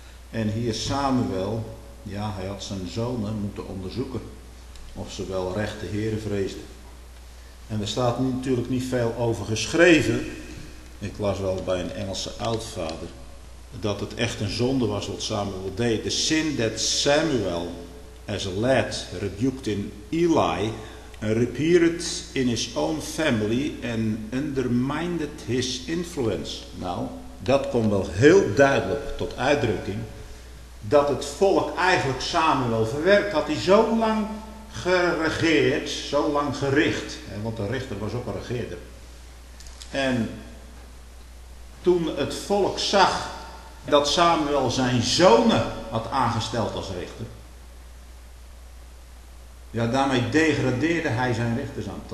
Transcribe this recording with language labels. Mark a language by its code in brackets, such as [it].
[nl] En hier Samuel, ja, hij had zijn zonen moeten onderzoeken of ze wel recht de Heere vreesden. En er staat natuurlijk niet veel over geschreven, ik las wel bij een Engelse oudvader, dat het echt een zonde was wat Samuel deed. [en] The sin that Samuel, as a lad, rebuked in Eli, repeated in his own family and undermined his influence. [nl] Nou, dat komt wel heel duidelijk tot uitdrukking dat het volk eigenlijk Samuel verwerkt. Had hij zo lang geregeerd, zo lang gericht, hè, want de richter was ook een regeerder. En toen het volk zag dat Samuel zijn zonen had aangesteld als richter, ja, daarmee degradeerde hij zijn richtersambt.